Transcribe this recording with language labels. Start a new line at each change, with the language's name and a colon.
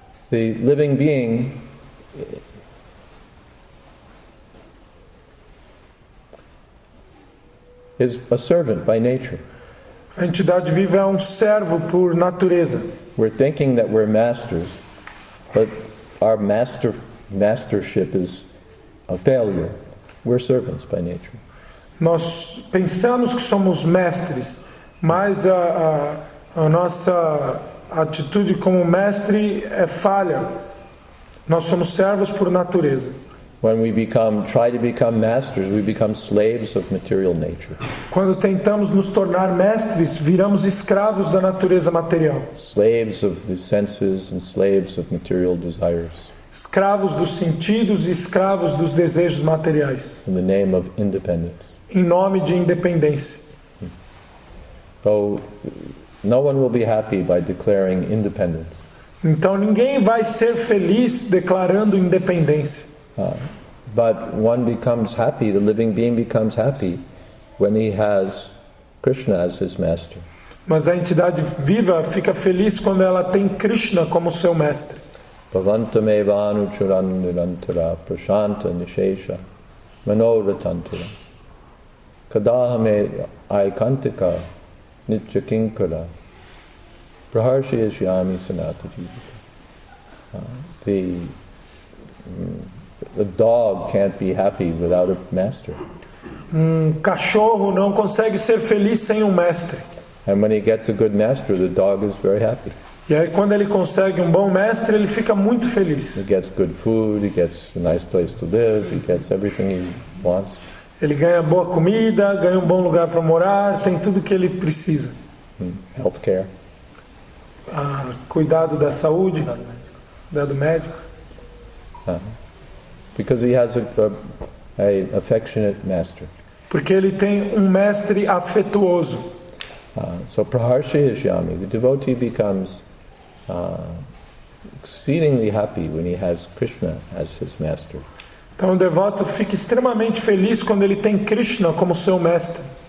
English: the living being is a servant by nature.
Portuguese: A entidade viva é servo por natureza.
English: We're thinking that we're masters, but our mastership is a failure. We're servants by nature.
Portuguese: Nós pensamos que somos mestres, mas a nossa atitude como mestre é falha. Nós somos servos por natureza.
English: When we try to become masters, we become slaves of material nature.
Portuguese: Quando tentamos nos tornar mestres, viramos escravos da natureza material.
English: Slaves of the senses and slaves of material desires.
Portuguese: Escravos dos sentidos e escravos dos desejos materiais.
English: In the name of independence.
Portuguese: Em nome de independência.
English: So, no one will be happy by declaring independence.
Portuguese: Então ninguém vai ser feliz declarando independência.
English: But one becomes happy, the living being becomes happy when he has Krishna as his master.
Portuguese: Mas a entidade viva fica feliz quando ela tem Krishna como seu mestre.
Sanskrit: Bhavantameva anucharan nirantara prashanta nishesha manovratantara kadahame aikantika nitya kinkara praharshayasyami sanata jivita.
English: A dog can't be happy without a master.
Portuguese: Cachorro não consegue ser feliz sem mestre.
English: And when he gets a good master, the dog is very happy.
Portuguese: E aí quando ele consegue bom mestre, ele fica muito feliz.
English: He gets good food, he gets a nice place to live, he gets everything he wants.
Portuguese: Ele ganha boa comida, ganha bom lugar para morar, tem tudo que ele precisa.
English: Healthcare.
Portuguese: Cuidado da saúde, do médico.
English: Because he has a affectionate master.
Portuguese: Porque ele tem mestre afetuoso.
English: So
Sanskrit: Praharsha Yashyami,
English: the devotee becomes exceedingly happy when he has Krishna as his master.
Portuguese: Então o devoto fica extremamente feliz quando ele tem Krishna como seu mestre.